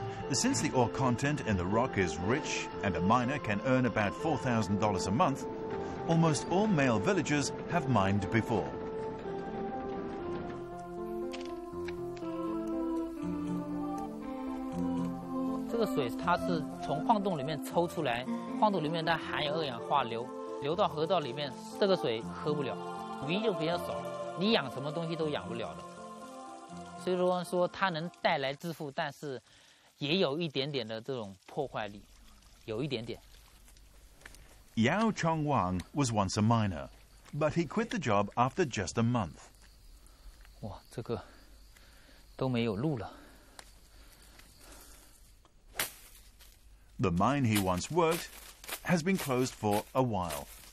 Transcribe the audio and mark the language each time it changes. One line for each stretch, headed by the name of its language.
English: Since the ore content in the rock is rich and a miner can earn about $4,000 a month, almost all male villagers have mined before. This water is from the mine. It's taken out of the mine. The mine has 二氧化硫.
Chinese: 流到河道里面，这个水喝不了，鱼就比较少，你养什么东西都养不了的。所以说说它能带来致富，但是也有一点点的这种破坏力，有一点点。
English: Yao Chong Wang was once a miner, but he quit the job after just a month.
Chinese: 哇，这个都没有路了。
English: The mine he once worked has been closed for a while.